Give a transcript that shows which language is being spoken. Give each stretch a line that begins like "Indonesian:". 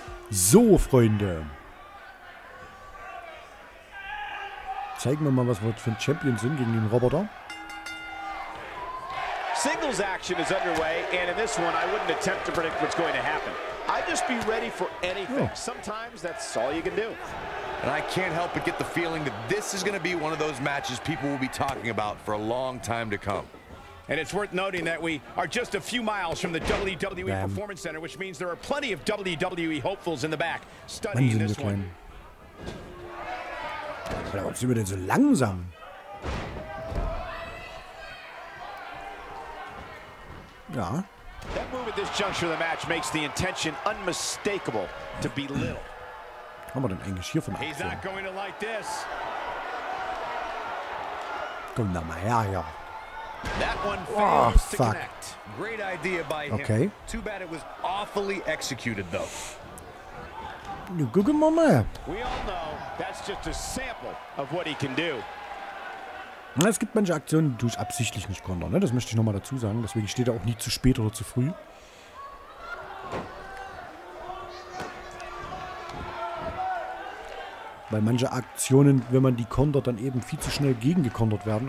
German: So, Freunde. Zeigen wir mal, was wir für ein Champion sind gegen den Roboter.
English: Singles action is underway, and in this one I wouldn't attempt to predict what's going to happen. I'd just be ready for anything. Ja. Sometimes that's all you can do. And I can't help but get the feeling that this is going to be one of those matches people will be talking about for a long time to come. And it's worth noting that we are just a few miles from the WWE Performance Center, which means there are plenty of WWE hopefuls in the back studying this one.
German: Klein. Warum sind wir denn so langsam? Ja.
English: That move at this juncture of the match makes the intention unmistakable to belittle.
German: Haben wir denn eigentlich hier von
English: He's not going to like this.
German: Komm da mal her, ja.
English: That one fails to connect. Great idea by him. Okay. Too bad it was awfully executed though.
German: Google mal.
English: We all know that's just a sample of what he can do.
German: Na, es gibt manche Aktionen, die tue ich absichtlich nicht konter, ne? Das möchte ich nochmal dazu sagen. Deswegen steht er auch nie zu spät oder zu früh. Weil manche Aktionen, wenn man die kontert, dann eben viel zu schnell gegengekontert werden.